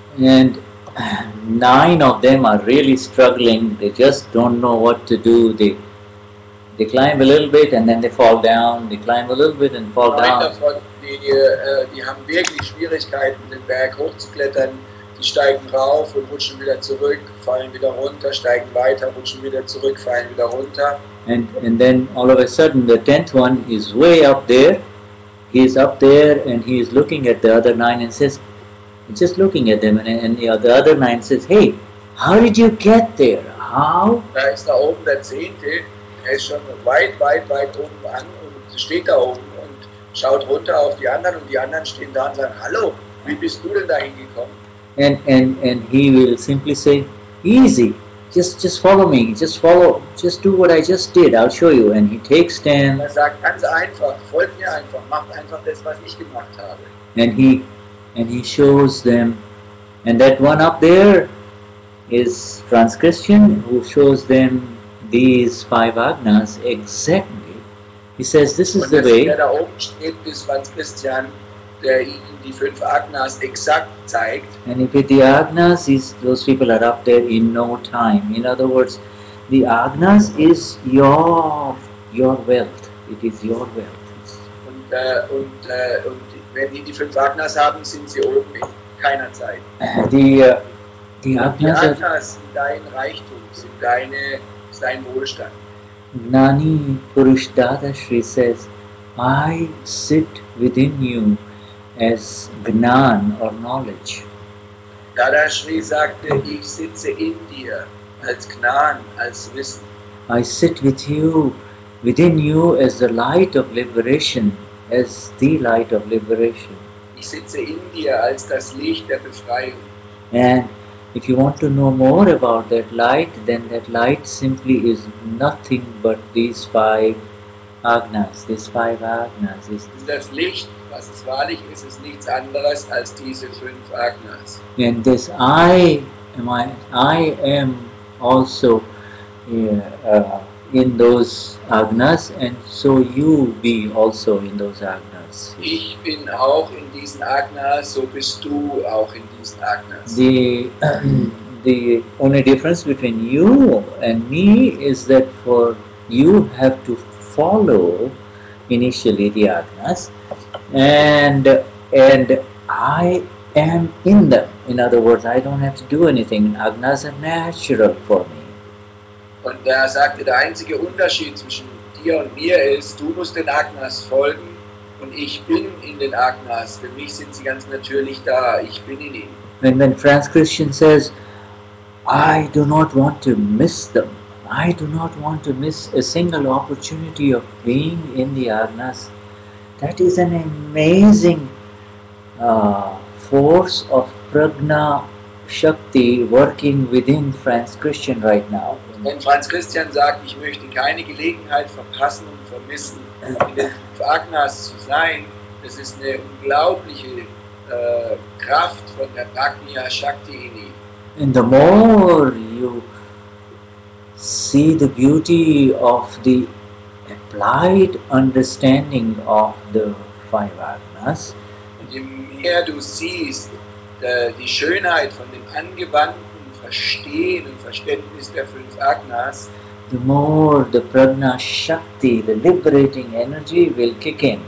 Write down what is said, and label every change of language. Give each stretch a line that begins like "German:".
English: and 9 of them are really struggling, they just don't know what to do, they climb a little bit and then they fall down, they climb a little bit and fall down.
German: Die haben wirklich Schwierigkeiten, den Berg hochzuklettern, die steigen rauf und rutschen wieder zurück, fallen wieder runter, steigen weiter, rutschen wieder zurück, fallen wieder runter.
English: And then all of a sudden the 10th one is way up there. He is up there and he is looking at the other 9 and says, he's just looking at them and the other 9 says, hey, how did you get there? How?
German: Da ist da oben der 10. Er ist schon weit, weit, weit oben an und steht da oben und schaut runter auf die anderen und die anderen stehen da und sagen, hallo, wie bist du denn da hingekommen?
English: And he will simply say, easy, just follow me, just do what I just did, I'll show you. And he takes 10.
German: Er sagt, ganz einfach, folgt mir einfach, macht einfach das, was ich gemacht habe.
English: And he shows them, and that one up there is Franz Christian, who shows them these 5 Agnas exactly. He says, this is the way.
German: Der da oben steht, ist Franz Christian, der ihnen die 5 Agnas exakt zeigt.
English: And if the Agnas is, those people are up there in no time. In other words, the Agnas is your wealth. It is your wealth.
German: Und wenn die 5 Agnas haben, sind sie oben in keiner Zeit. Die Agnas sind dein Reichtum, sind dein Wohlstand.
English: Gnani Purush Dadashri says, I sit within you as Gnan or knowledge.
German: Dadashri sagte, ich sitze in dir als Gnan, als Wissen.
English: I sit with you, within you as the light of liberation. As the light of liberation.
German: Ich sitze in dir als das Licht der Befreiung.
English: And if you want to know more about that light, then that light simply is nothing but these 5 Agnas. These 5 Agnas.
German: Das Licht, was es wahrlich ist, ist nichts anderes als diese 5 Agnas.
English: And this I am also in those Agnas, and so you be also in those Agnas.
German: Ich bin auch in diesen Agnas, so bist du auch in diesen Agnas.
English: The only difference between you and me is that for you have to follow initially the Agnas, and I am in them. In other words, I don't have to do anything. Agna is a natural for me.
German: Und er sagte, der einzige Unterschied zwischen dir und mir ist, du musst den Agnas folgen und ich bin in den Agnas. Für mich sind sie ganz natürlich da. Ich bin in ihnen.
English: And then Franz Christian says, I do not want to miss them. I do not want to miss a single opportunity of being in the Agnas. That is an amazing force of Prajna Shakti working within Franz Christian right now.
German: Wenn Franz Christian sagt, ich möchte keine Gelegenheit verpassen und vermissen, in den Agnas zu sein, das ist eine unglaubliche Kraft von der Prajna Shakti in ihm.
English: And the more you see the beauty of the applied understanding of the five Agnas,
German: und je mehr du siehst, die Schönheit von dem angewandten Verstehen und Verständnis der fünf Agnas,
English: the more the Prajna Shakti, the liberating energy, will kick in.